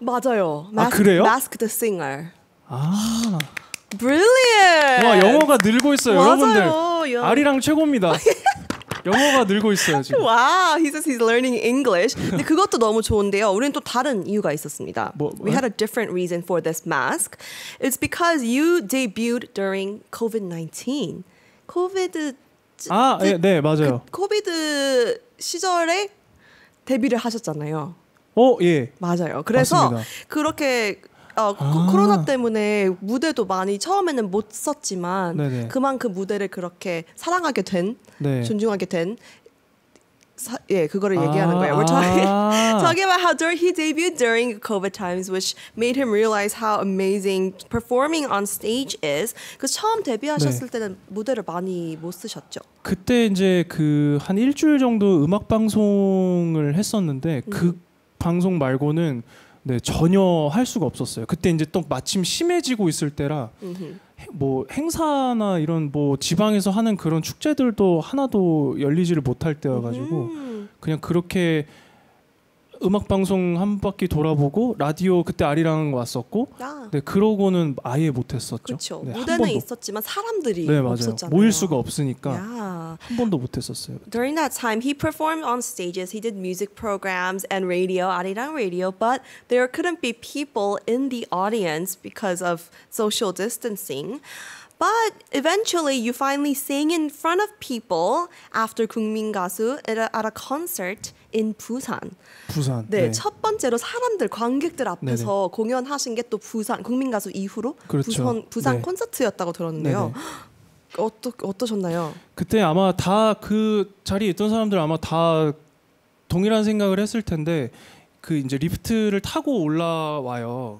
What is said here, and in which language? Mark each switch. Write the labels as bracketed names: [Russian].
[Korean] 맞아요. 아, 그래요? [English] Mask the singer. 아. Brilliant. [Korean] 와, 영어가 늘고 있어요, 맞아요. 여러분들. 아리랑 최고입니다. 영어가 늘고 있어요, 지금. [English] 와, wow, he says he's learning English. [Korean] 근데 그것도 너무 좋은데요. 우리는 또 다른 이유가 있었습니다. 뭐, [English] we had a different reason for this mask. It's because you debuted during COVID-19. COVID [Korean] 아, 예, 네, 맞아요. 그 코비드 시절에 데뷔를 하셨잖아요. 어, 예. 맞아요. 그래서 맞습니다. 그렇게 코로나 때문에 무대도 많이 처음에는 못 썼지만 네네. 그만큼 무대를 그렇게 사랑하게 된, 네. 존중하게 된 예, 그거를 얘기하는 거예요. [English] We're talking about how he debuted during COVID times, which made him realize how amazing performing on stage is. [Korean] 그 처음 데뷔하셨을 네. 때는 무대를 많이 못 쓰셨죠? 그때 이제 그 한 일주일 정도 음악 방송을 했었는데 그 방송 말고는 네, 전혀 할 수가 없었어요. 그때 이제 또 마침 심해지고 있을 때라 뭐 행사나 이런 뭐 지방에서 하는 그런 축제들도 하나도 열리지를 못할 때여가지고 그냥 그렇게 음악 방송 한 바퀴 돌아보고 라디오 그때 아리랑 왔었고 아. 네, 그러고는 아예 못했었죠. 그렇죠. 네, 무대는 있었지만 사람들이 네, 없었잖아요. 모일 수가 없으니까. 야. 한 번도 못 했었어요. [English] During that time, he performed on stages. He did music programs and radio, Arirang Radio. But there couldn't be people in the audience because of social distancing. But eventually, you finally sang in front of people after 국민가수 at a concert in Busan. Busan. [Korean] 네, 네. 첫 번째로 사람들, 관객들 앞에서 네네. 공연하신 게 또 부산 국민가수 이후로 그렇죠. 부산 네. 콘서트였다고 들었는데요. 어떠셨나요? 그때 아마 다 그 자리에 있던 사람들 아마 다 동일한 생각을 했을 텐데 그 이제 리프트를 타고 올라와요.